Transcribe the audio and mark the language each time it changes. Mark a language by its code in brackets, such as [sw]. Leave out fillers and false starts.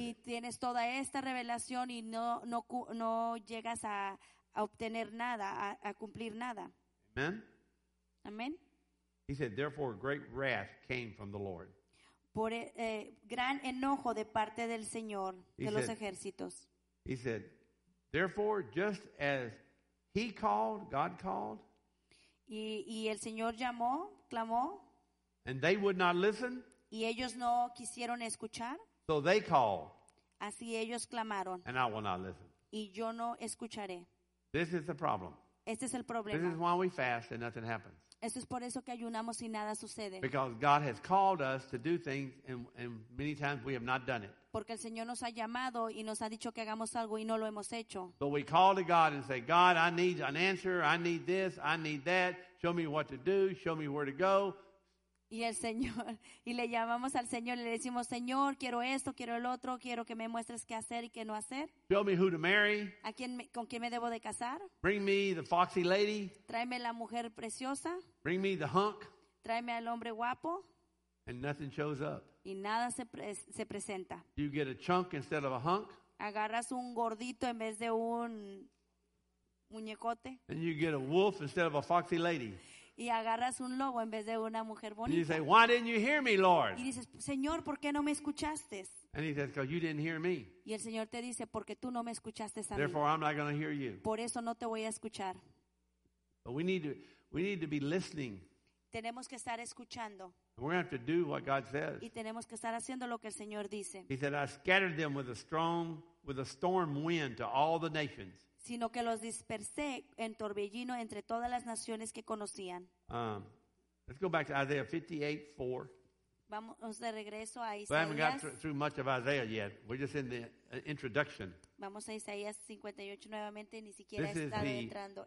[en] it. [es] Y tienes toda esta revelación y no llegas a obtener nada, a cumplir nada. [en] Amen. [es] Amen. [en] He said, therefore, great wrath came from the Lord. [es] Por gran enojo de parte del Señor de los ejércitos. [en] He said, therefore, just as he called, God called. [es] Y el Señor llamó, clamó. [en] And they would not listen. [es] Y ellos no quisieron escuchar. [en] So they called. [es] Así ellos clamaron. [en] And I will not listen. [es] Y yo no escucharé. [en] This is the problem. [es] Este es el problema. [en] This is why we fast and nothing happens. [es] Eso es por eso que ayunamos y nada sucede. [en] Because God has called us to do things and many times we have not done it. [es] Porque el Señor nos ha llamado y nos ha dicho que hagamos algo y no lo hemos hecho. [en] But we call to God and say, God, I need an answer. I need this. I need that. Show me what to do. Show me where to go. [es] Y el Señor, y le llamamos al Señor y le decimos, Señor, quiero esto, quiero el otro. Quiero que me muestres qué hacer y qué no hacer. [en] Show me who to marry. [es] ¿A quién, con quién me debo de casar? [en] Bring me the foxy lady. [es] Tráeme la mujer preciosa. [en] Bring me the hunk. [es] Tráeme al hombre guapo. [en] And nothing shows up. [es] Y nada se presenta. [en] You get a chunk instead of a hunk. [es] Agarras un gordito en vez de un muñecote. [en] And you get a wolf instead of a foxy lady. [es] Y agarras un lobo en vez de una mujer bonita. [en] And you say, why didn't you hear me, Lord? [es] Y dices, Señor, ¿por qué no me escuchaste? [en] And he says, because you didn't hear me. [es] Y el Señor te dice, porque tú no me escuchaste a mí. [en] Therefore, I'm not going to hear you. [es] Por eso no te voy a escuchar. [en] But we need to be listening. [es] Tenemos que estar escuchando. [en] We have to do what God says. [es] Y tenemos que estar haciendo lo que el Señor dice. [en] He said, "I scattered them with a strong, with a storm wind to all the nations." [es] Sino que los dispersé en torbellino entre todas las naciones que conocían. [en] Let's go back to Isaiah 58:4. [es] Vamos de regreso a Isaías. [en] We haven't got through much of Isaiah yet. We're just in the introduction. [es] Vamos a Isaías 58 nuevamente, ni siquiera está entrando.